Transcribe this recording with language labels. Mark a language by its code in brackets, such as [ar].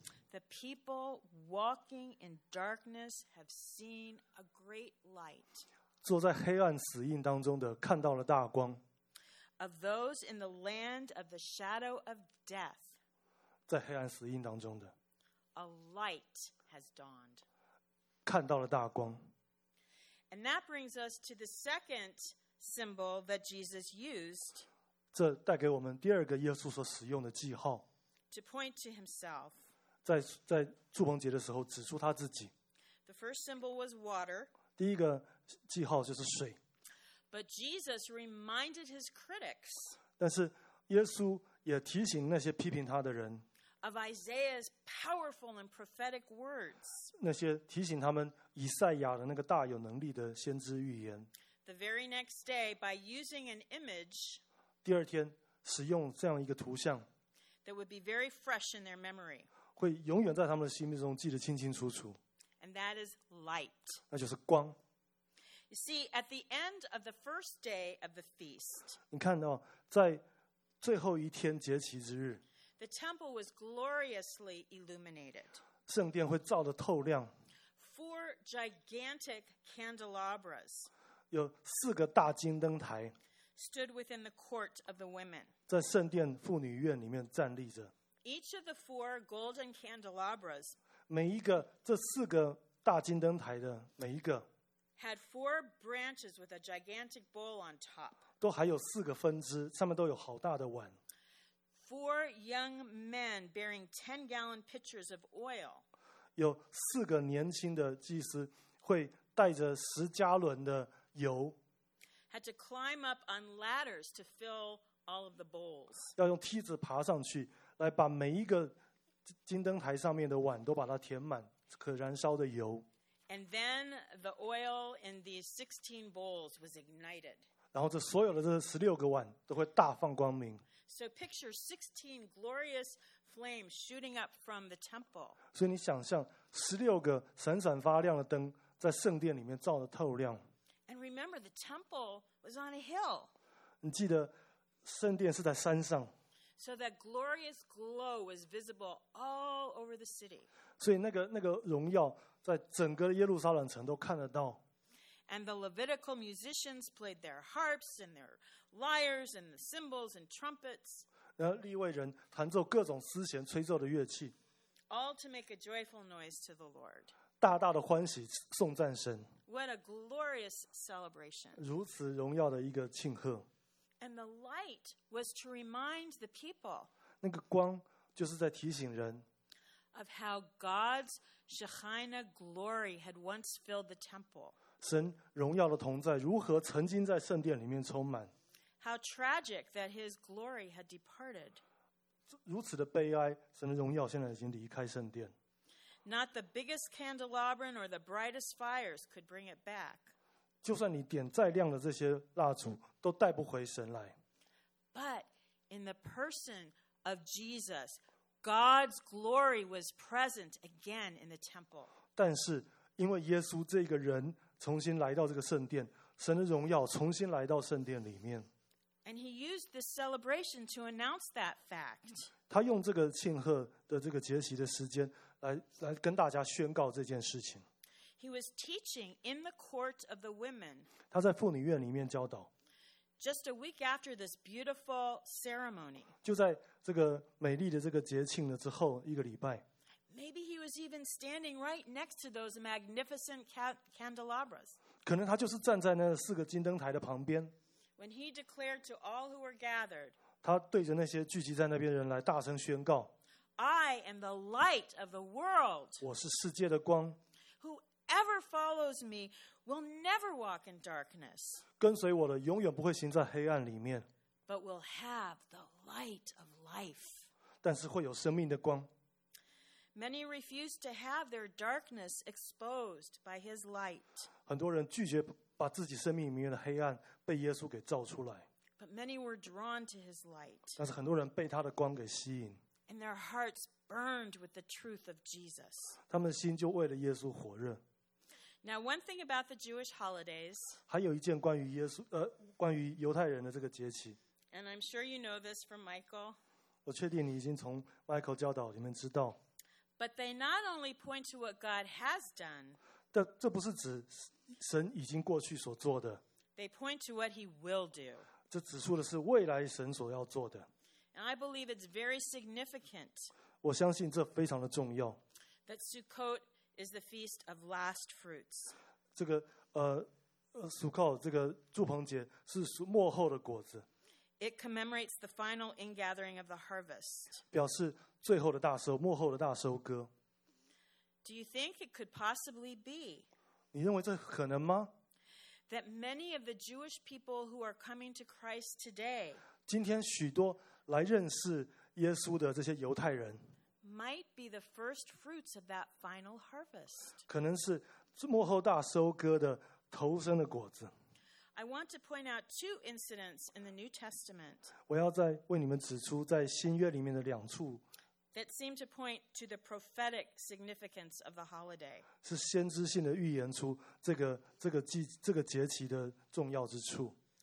[en] The people walking in darkness have seen a great light. [zh] 坐在黑暗死荫当中的看到了大光。 [en] Of those in the land of the shadow of death. [zh] 在黑暗死荫当中的。 [en] A light has dawned. [zh] 看到了大光。 [en] And that brings us to the second symbol that Jesus used. [zh] 这带给我们第二个耶稣所使用的记号。 [en] To point to himself. [zh] 在祝棚节的时候指出他自己。 [en] The first symbol was water. [zh] 第一个记号就是水。 [en] But Jesus reminded his critics. [zh] 但是耶稣也提醒那些批评他的人 [en] of Isaiah's powerful and prophetic words. [zh] 那些提醒他们以赛亚的那个大有能力的先知预言 [en] The very next day, by using an image, [zh] 第二天使用这样一个图像 [en] that would be very fresh in their memory. [zh] 会永远在他们的心目中记得清清楚楚 [en] And that is light. [zh] 那就是光。 [en] You see, at the end of the first day of the feast, [zh] 你看到在最后一天节期之日 [en] the temple was gloriously illuminated. [zh] 圣殿会照得透亮 [en] Four gigantic candelabras [zh] 有四个大金灯台 [en] stood within the court of the women. [zh] 在圣殿妇女院里面站立着 [en] Each of the four golden candelabras [zh] 每一个这四个大金灯台的每一个 [en] had four branches with a gigantic bowl on top. [zh] 都还有四个分支，上面都有好大的碗。 [en] Four young men bearing 10-gallon pitchers of oil. [zh] 有四个年轻的祭司会带着十加仑的油。 [en] Had to climb up on ladders to fill all of the bowls. [zh] 要用梯子爬上去，来把每一个金灯台上面的碗都把它填满可燃烧的油。 [en] And then the oil in these 16 bowls was ignited. [zh] 然后这所有的这16个碗都会大放光明。 [en] So picture 16 glorious flames shooting up from the temple. [zh] 所以你想象16个闪闪发亮的灯在圣殿里面照得透亮。 [en] And remember the temple was on a hill. [zh] 你记得圣殿是在山上。 [en] So that glorious glow was visible all over the city. [zh] 所以那个荣耀在整个耶路撒冷城都看得到。 [en] And the Levitical musicians played their harps and their lyres and the cymbals and trumpets. [zh] 然后利未人弹奏各种丝弦吹奏的乐器。 [en] All to make a joyful noise to the Lord. [zh] 大大的欢喜颂赞神。 [en] What a glorious celebration. [zh] 如此荣耀的一个庆贺。 [en] And the light was to remind the people. [zh] 那个光就是在提醒人。 [en] Of how God's Shekhinah glory had once filled the temple. [zh] 神荣耀的同在如何曾经在圣殿里面充满。 [en] How tragic that his glory had departed. [zh] 如此的悲哀，神的荣耀现在已经离开圣殿。 [en] Not the biggest candelabra or the brightest fires could bring it back. [zh] 就算你点再亮的这些蜡烛，都带不回神来。 [en] But in the person of Jesus, God's glory was present again in the temple. [zh] 但是因为耶稣这个人重新来到这个圣殿，神的荣耀重新来到圣殿里面。 [en] And he used this celebration to announce that fact. [zh] 他用这个庆贺的这个节期的时间来跟大家宣告这件事情。 [en] He was teaching in the court of the women. [zh] 他在妇女院里面教导。 [en] Just a week after this beautiful ceremony. [zh] 就在这个美丽的这个节庆的之后一个礼拜。 [en] Maybe he was even standing right next to those magnificent candelabras. [zh] 可能他就是站在那四个金灯台的旁边。 [en] When he declared to all who were gathered. [zh] 他对着那些聚集在那边的人来大声宣告。 [en] I am the light of the world. [zh] 我是世界的光。 [en] Whoever follows me will never walk in darkness. [zh] 跟随我的永远不会行在黑暗里面。 [en] But will have the light of life. [zh] 但是会有生命的光。 [en] Many refuse to have their darkness exposed by his light. [zh] 很多人拒绝把自己生命里面的黑暗被耶稣给照出来。 [en] But many were drawn to his light. [zh] 但是很多人被他的光给吸引。 [en] And their hearts burned with the truth of Jesus. [zh] 他们的心就为了耶稣火热。 [en] Now, one thing about the Jewish holidays. [zh] 还有一件关于耶稣，关于犹太人的这个节期。 [en] And I'm sure you know this from Michael. [zh] 我确定你已经从 Michael 教导里面知道。 [en] But they not only point to what God has done. [zh] 这不是指神已经过去所做的。 [en] They point to what He will do. [zh] 这指出的是未来神所要做的。 [en] And I believe it's very significant. [zh] 我相信这非常的重要。 [en] That Sukkot. Is the feast of last fruits. [zh] 这个Sukkot 这个祝棚节是末后的果子。 [en] It commemorates the final ingathering of the harvest. [zh] 表示最后的大收，末后的大收割。 [en] Do you think it could possibly be? [zh] 你认为这可能吗？ [en] That many of the Jewish people who are coming to Christ today. [zh] 今天许多来认识耶稣的这些犹太人 [en] might be the first fruits of that final harvest. [zh] 可能是末后大收割的头生的果子。 [en] I want to point out two incidents in the New Testament. [zh] 我要再为你们指出在新约里面的两处 [en] that seem to point to the prophetic significance of the holiday. [zh] 是先知性的预言出这个节期的重要之处。